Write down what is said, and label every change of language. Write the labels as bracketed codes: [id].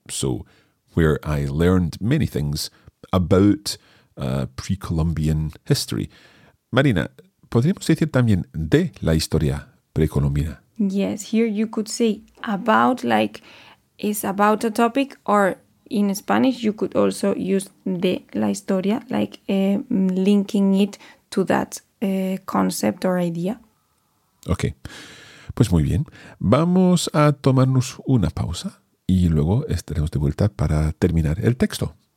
[en] So, where I learned many things about pre-Columbian history. [es] Marina, ¿podríamos decir también de la historia precolombina? [en] Yes, here you could say about, like, it's about a topic, or in Spanish you could also use de la historia, like linking it to that concept or idea. [es] Okay, pues muy bien. Vamos a tomarnos una pausa y luego estaremos de vuelta para terminar el texto.